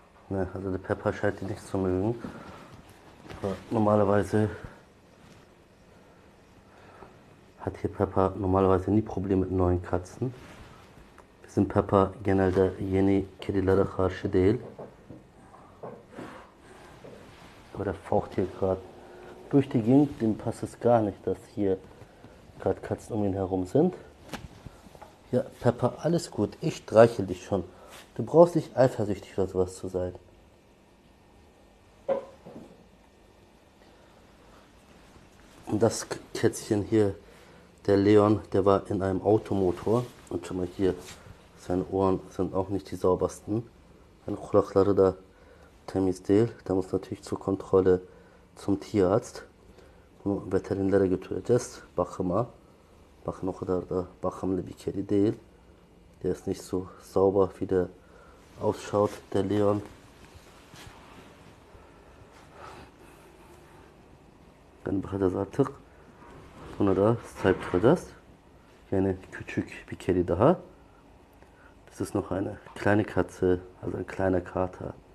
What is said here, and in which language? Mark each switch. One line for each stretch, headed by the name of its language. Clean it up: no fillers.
German: Ne, also der Pepper scheint die nicht zu mögen. Aber normalerweise hat hier Pepper normalerweise nie Probleme mit neuen Katzen.
Turkish: Bizim Peppa genelde yeni kedilere karşı değil. Böyle
German: faucht hier gerade durch die Gegend, dem passt es gar nicht, dass hier gerade Katzen um ihn herum sind. Ja, Peppa, alles gut, ich streichel dich schon. Du brauchst nicht eifersüchtig oder sowas zu sein. Und das Kätzchen hier, der Leon, der war in einem Automotor. Und schon mal hier. Seine Ohren sind auch nicht die saubersten. Seine
Turkish: Kulakları da temiz değil.
German: Der muss natürlich zur Kontrolle zum Tierarzt.
Turkish: Bunu veterinlere götüreceğiz. Bakıma. Bakın o kadar da bakımlı bir kedi değil.
German: Der ist nicht so sauber, wie der ausschaut, der Leon.
Turkish: Ben biraz artık buna da sahip çıkacağız. Yani küçük bir kedi daha.
German: Das ist noch eine kleine Katze, also ein kleiner Kater.